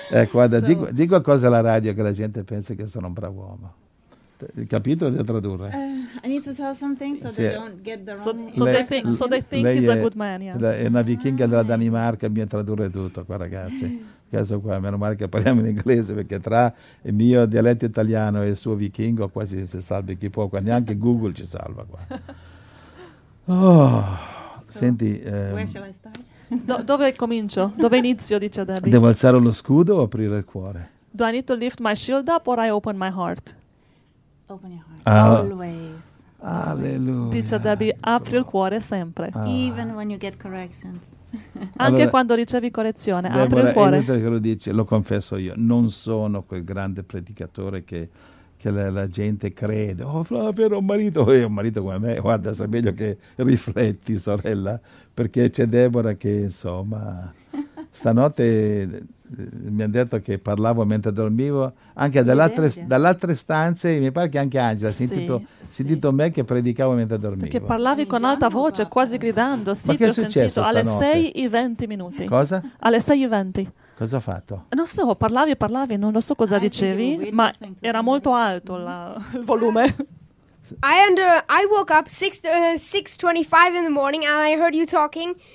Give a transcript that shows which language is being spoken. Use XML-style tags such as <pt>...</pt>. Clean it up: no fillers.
<it>Guarda, so, dico cosa alla radio che la gente pensa che sono un bravo uomo. Capito? Devo tradurre.</it> <en>I need to tell something so they don't get the wrong. So they think he's a good man.</en> <it>È una vichinga della Danimarca, mi tradurre tutto qua, ragazzi. Questo qua, meno male che parliamo in inglese, perché tra il mio dialetto italiano e il suo vichingo quasi si salva chi può qua. Neanche Google ci salva qua. Senti, dove comincio? Dove inizio, dice Debbie? Devo alzare lo scudo o aprire il cuore?</it> <en>Do I need to lift my shield up or I open my heart? Always. Alleluia.</en> <it>Dice Debbie, apri il cuore sempre.</it> <en>Even when you get corrections.</en> <it>Anche quando ricevi correzione, apri il cuore. Debbie, che lo dice, lo confesso io, non sono quel grande predicatore che la gente crede. Oh, Flavio, era un marito come me. Guarda, sei meglio che rifletti, sorella, perché c'è Deborah che, insomma, stanotte mi hanno detto che parlavo mentre dormivo, anche dall'altra stanza, mi pare che anche Angela, sentito me che predicavo mentre dormivo. Perché parlavi con alta voce, quasi gridando. Sì, ma che ti ho sentito stanotte? Alle 6:20. Cosa? Alle 6:20. Cosa ho fatto? Non so, parlavi, non lo so cosa dicevi, ma era molto alto il volume.</it> <en>I woke up 6:25 in the morning and I heard you talking.</en>